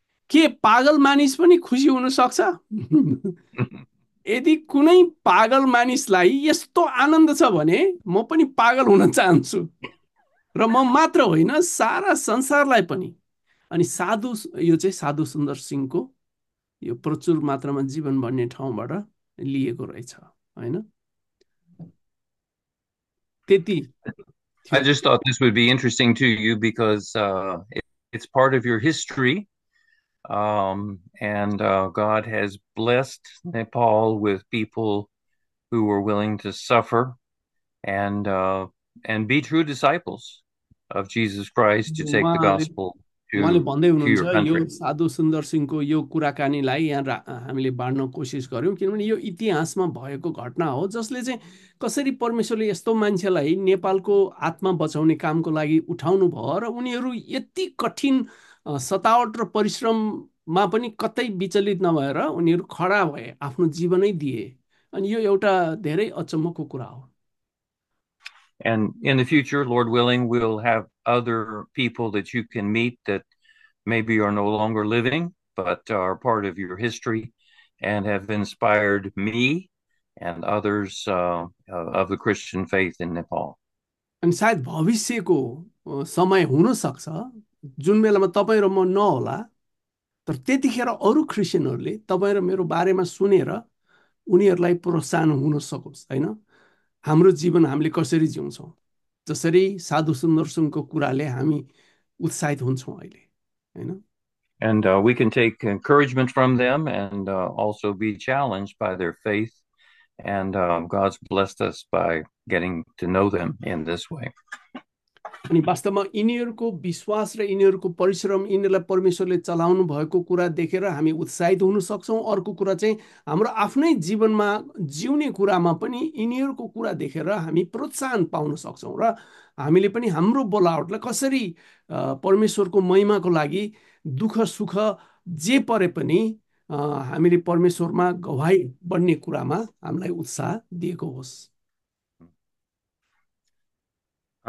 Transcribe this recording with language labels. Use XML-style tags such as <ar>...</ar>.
<ne>के पागल मानिस पनि खुसी हुन सक्छ? यदि कुनै पागल मानिसलाई यस्तो आनन्द छ भने म पनि पागल हुन चाहन्छु, र म मात्र होइन सारा संसारलाई पनि। अनि साधु, यो चाहिँ साधु सुन्दर सिंहको यो प्रचुर मात्रामा जीवन भन्ने ठाउँबाट लिएको रहेछ, होइन? त्यति</ne> <en>I just thought this would be interesting to you because it's part of your history. God has blessed Nepal with people who were willing to suffer and be true disciples of Jesus Christ to take the gospel</en> <ne>उहाँले भन्दै</ne> <en>to</en> <ne>हुनुहुन्छ</ne> <en>your</en> <ne>यो</ne> <en>country.</en> <ne>साधु सुन्दर सिंहको यो कुराकानीलाई यहाँ हामीले बाँड्न कोसिस गऱ्यौँ, किनभने यो इतिहासमा भएको घटना हो जसले चाहिँ कसरी परमेश्वरले यस्तो मान्छेलाई नेपालको आत्मा बचाउने कामको लागि उठाउनु भयो, र उनीहरू यति कठिन सतावट र परिश्रममा पनि कतै विचलित नभएर उनीहरू खडा भए, आफ्नो जीवनै दिए। अनि यो एउटा धेरै अचम्मको कुरा हो।</ne> <en>And in the future, Lord willing, we'll have other people that you can meet that maybe are no longer living, but are part of your history and have inspired me and others of the Christian faith in Nepal.</en> <ne>अनि सायद भविष्यको समय हुनसक्छ जुन बेलामा तपाईँ र म नहोला, तर त्यतिखेर अरू क्रिस्चियनहरूले तपाईँ र मेरो बारेमा सुनेर उनीहरूलाई प्रोत्साहन हुन सकोस्, होइन? हाम्रो जीवन हामीले कसरी जिउँछौँ, जसरी साधु सुन्दर सुनको कुराले हामी उत्साहित हुन्छौँ अहिले, होइन?</ne> <en>And we can take encouragement from them and also be challenged by their faith. And God's blessed us by getting to know them in this way.</en> <ne>अनि वास्तवमा यिनीहरूको विश्वास र यिनीहरूको परिश्रम, यिनीहरूलाई परमेश्वरले चलाउनु भएको कुरा देखेर हामी उत्साहित हुन सक्छौँ। अर्को कुरा चाहिँ हाम्रो आफ्नै जीवनमा जिउने कुरामा पनि यिनीहरूको कुरा देखेर हामी प्रोत्साहन पाउन सक्छौँ, र हामीले पनि हाम्रो बोलावटलाई कसरी परमेश्वरको महिमाको लागि दुःख सुख जे परे पनि हामीले परमेश्वरमा गवाही बन्ने कुरामा हामीलाई उत्साह दिएको होस्।</ne>